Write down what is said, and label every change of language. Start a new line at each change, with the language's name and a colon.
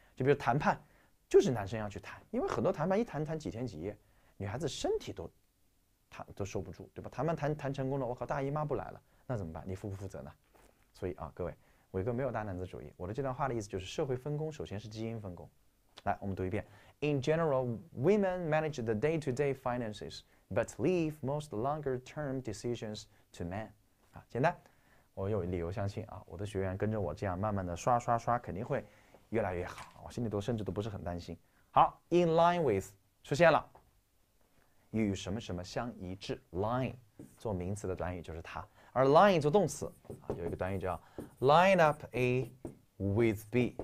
Chinese: 就比如谈判，就是男生要去谈，因为很多谈判一谈谈几天几夜，女孩子身体都受不住，对吧？谈判谈成功了，我靠，大姨妈不来了，那怎么办？你负不负责呢？所以啊，各位，伟哥没有大男子主义，我的这段话的意思就是社会分工首先是基因分工。来，我们读一遍。
English: In general, women manage the day-to-day finances, but leave most longer-term decisions to men.
Chinese: 啊，简单。我有理由相信啊，我的学员跟着我这样慢慢的刷刷刷，肯定会越来越好。我心里都甚至都不是很担心。好，
English: in line with
Chinese: 出现了，与什么什么相一致。 line 做名词的短语就是它，而 line 做动词啊，有一个短语叫
English: line up A with B。